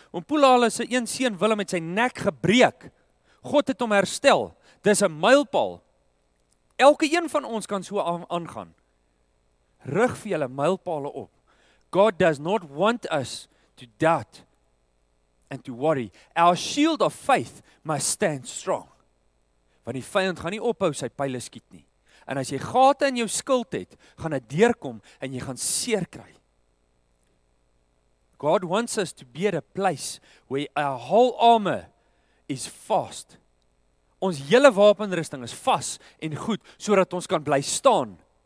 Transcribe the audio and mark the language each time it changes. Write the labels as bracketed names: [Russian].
[Afrikaans] Om Poolale se een seun Willem met sy nek gebreek. God het hom herstel. Dis 'n mylpaal. Elke een van ons kan so aangaan. Rig vir julle mylpale op. [English] God does not want us to doubt and to worry. Our shield of faith must stand strong. [Afrikaans] Want die vyand gaan nie ophou sy pile skiet nie. En as jy gate in jou skild het, gaan dit deurkom en jy gaan seer kry. [English] God wants us to be at a place where our whole armor is fast. [Afrikaans] Ons hele wapenrusting is vas en goed, sodat ons kan bly staan.